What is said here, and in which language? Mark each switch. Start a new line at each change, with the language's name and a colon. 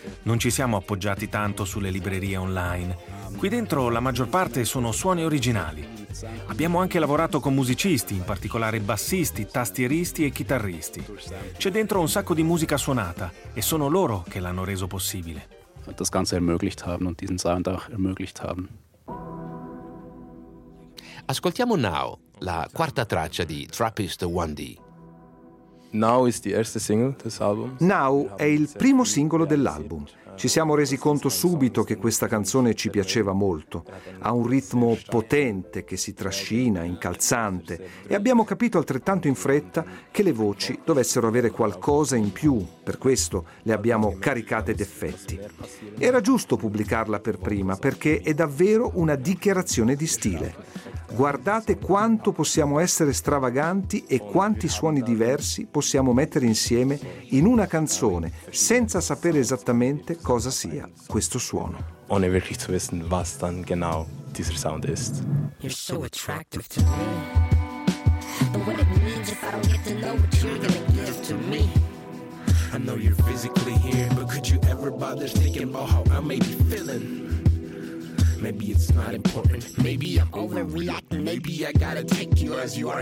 Italian: Non ci siamo appoggiati tanto sulle librerie online. Qui dentro la maggior parte sono suoni originali. Abbiamo anche lavorato con musicisti, in particolare bassisti, tastieristi e chitarristi. C'è dentro un sacco di musica suonata e sono loro che l'hanno reso possibile.
German: Das Ganze ermöglicht haben und diesen Sound auch ermöglicht haben.
Italian: Ascoltiamo Now, la quarta traccia di Trappist 1D.
English: Now is the first single of this album.
Italian: Now è il primo singolo dell'album. Ci siamo resi conto subito che questa canzone ci piaceva molto. Ha un ritmo potente che si trascina, incalzante, e abbiamo capito altrettanto in fretta che le voci dovessero avere qualcosa in più, per questo le abbiamo caricate d'effetti. Era giusto pubblicarla per prima perché è davvero una dichiarazione di stile. Guardate quanto possiamo essere stravaganti e quanti suoni diversi possiamo mettere insieme in una canzone senza sapere esattamente cosa sia questo suono.
German: Ohne wirklich zu wissen, was dann genau dieser Sound ist.
English: You're so attractive to me. But what it means if I don't get to know what you're gonna give to me. I know you're physically here, but could you ever bother thinking about how I may be feeling? Maybe it's not important. Maybe I'm overreacting. Maybe I gotta take you as you are.